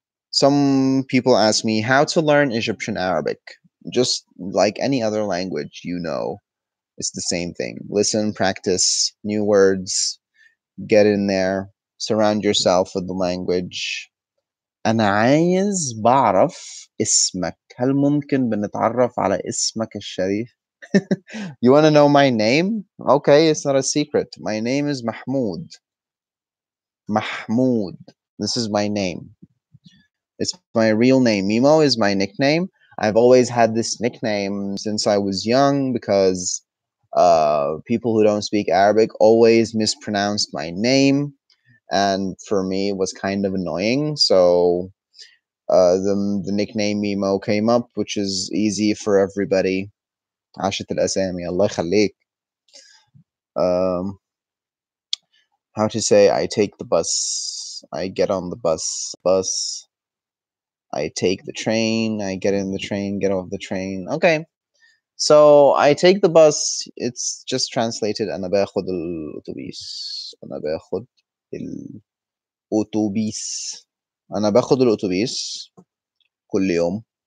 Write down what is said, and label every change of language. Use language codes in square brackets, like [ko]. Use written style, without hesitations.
[en] Some people ask me how to learn Egyptian Arabic. Just like any other language, you know, it's the same thing. Listen, practice new words, get in there. Surround yourself with the language. [ar] أنا عايز بعرف اسمك. هل ممكن بنتعرف على اسمك الشريف? [en] You want to know my name? Okay, it's not a secret. My name is Mahmoud. Mahmoud. This is my name. It's my real name. Mimo is my nickname. I've always had this nickname since I was young because people who don't speak Arabic always mispronounced my name. And for me, it was kind of annoying. So the nickname Mimo came up, which is easy for everybody. [ar] Ashat al-Asami, [en] Allah khalik. How to say, I take the bus. I get on the bus. I take the train. I get in the train, get off the train. Okay. So I take the bus. It's just translated, [ar] أنا باخد الأوتوبيس. أنا باخد. الأوتوبيس. أنا باخد الأوتوبيس كل يوم.